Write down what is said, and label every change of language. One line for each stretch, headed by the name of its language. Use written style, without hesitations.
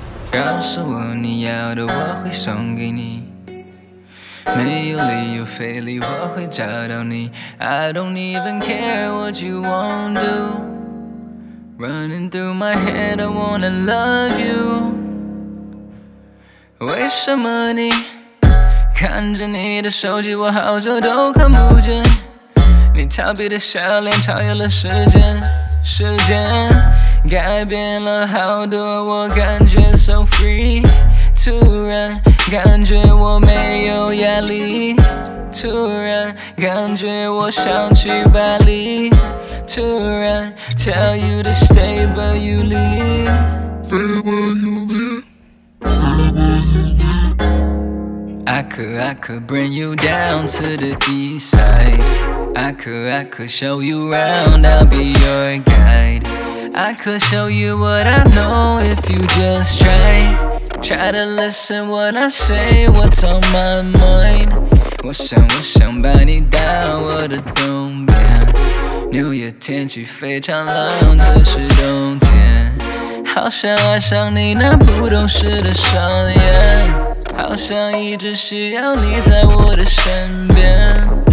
Chinese: 告诉我你要的我会送给你，没有理由非礼我会找到你。
English: I don't even care what you want to do, running through my head I wanna love you。
Chinese: 为什么你看着你的手机我好久都看不见，你调皮的笑脸超越了时间，时间改变了好多，我感觉
English: so free。
Chinese: 突然感觉我没有压力，突然感觉我想去巴黎，突然
English: tell you to stay but you leave, stay but you leave。 I could bring you down to the east side, I could show you around, I'll be your guide, I could show you what I know if you just try, try to listen what I say, what's on my mind。
Chinese: 我想把你带我的东边，纽约天气非常冷，这是冬天，好想爱上你那不懂事的双眼，好像一直需要你在我的身边。